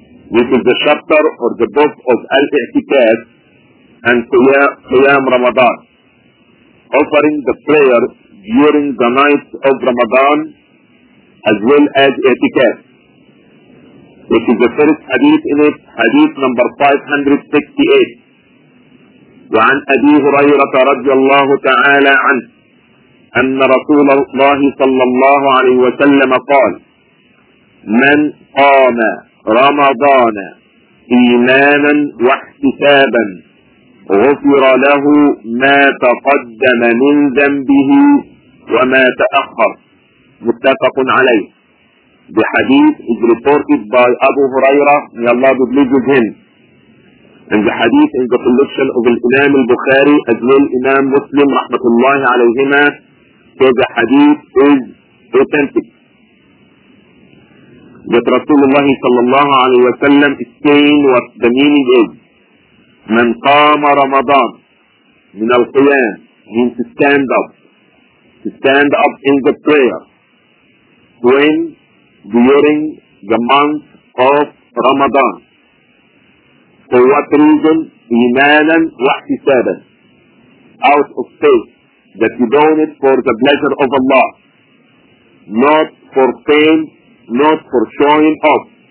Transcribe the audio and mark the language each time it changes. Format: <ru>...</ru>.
<en>This is the chapter or the book of al-i'tikaf and Qiyam Ramadan, offering the prayer during the night of Ramadan as well as i'tikaf. This is the first hadith in it, hadith number 568.</en> <ar>وعن أبي هريرة رضي الله تعالى عنه أن رسول الله صلى الله عليه وسلم قال من قام رمضان ايمانا واحتسابا غفر له ما تقدم من ذنبه وما تأخر. متفق عليه.</ar> <en>The hadith is reported by Abu Huraira, may Allah be pleased with him. And the hadith is the collection of Imam al-Bukhari as well Imam Muslim, rahmatullahi alayhima. So the hadith is authentic. That Rasulullah sallallahu alayhi wa sallam is saying what the meaning is.</en> <ar>من قام رمضان من القيام</ar> <en>means to stand up. To stand up in the prayer. When during the month of Ramadan. For what reason? Imanan wahtisaban. Out of faith. That you don't it for the pleasure of Allah. Not for fame, not for showing off.</en>